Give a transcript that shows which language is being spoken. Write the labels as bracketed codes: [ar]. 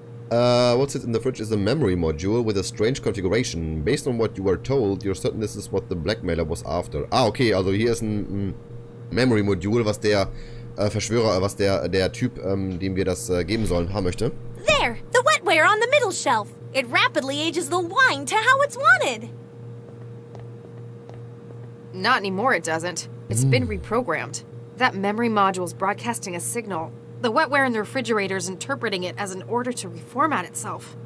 [en] What sits in the fridge is a memory module with a strange configuration. Based on what you were told, you're certain this is what the blackmailer was after. [de] Ah, okay, also hier ist ein Memory Module, was der Verschwörer, was der Typ, dem wir das geben sollen, haben möchte. [en] There! The wetware on the middle shelf! It rapidly ages the wine to how it's wanted! Not anymore, it doesn't. It's been reprogrammed. That memory module's broadcasting a signal. The wetware in the refrigerator is interpreting it as an order to reformat itself.